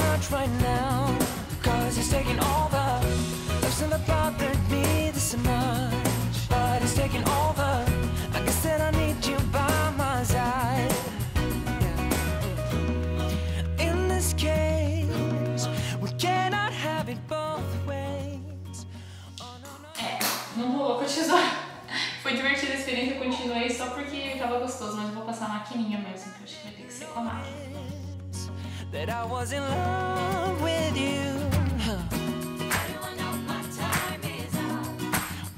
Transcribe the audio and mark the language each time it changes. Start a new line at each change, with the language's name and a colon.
English: Right now, cause it's taking over. Life's never bothered me this much, but it's taking over. I guess that I need you by my side. In this case, we cannot have it both ways. Oh, no, no.
Portuguese: É, não rolou com a tesoura. Foi divertida a experiência, eu continuei só porque tava gostoso, mas eu vou passar a maquininha mesmo, que eu acho que vai ter que ser com a máquina.
English: That I was in love with you. Everyone knows my time is up.